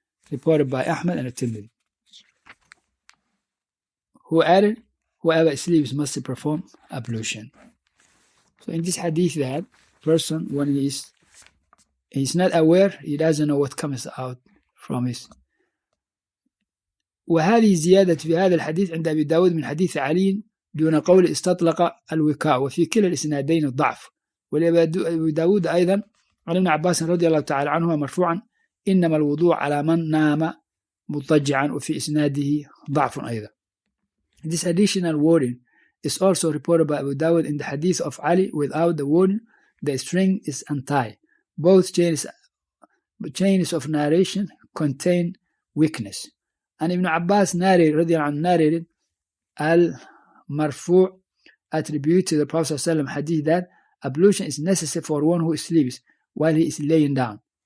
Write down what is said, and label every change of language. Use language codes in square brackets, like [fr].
[en] Reported by Ahmed and Tirmidhi. Who added, whoever sleeps must perform ablution. So in this hadith, that person, when he's not aware, he doesn't know what comes out from his. [ar] وهذه زيادة في هذا الحديث عند أبي داود من حديث علي دون قول استطلق الوكاء وفي كل الإسنادين الضعف. ولأبي داود أيضا عن ابن عباس رضي الله تعالى عنهما مرفوعا إنما الوضوء على من نام مضطجعا وفي إسناده ضعف أيضا. [en] This additional warning is also reported by Abu Dawud in the hadith of Ali, without the wound, the string is untied. Both chains of narration contain weakness. And Ibn Abbas narrated, [ar] رضي الله عنه [en] narrated, Al-Marfu attributed to the Prophet ﷺ hadith that ablution is necessary for one who sleeps while he is laying down.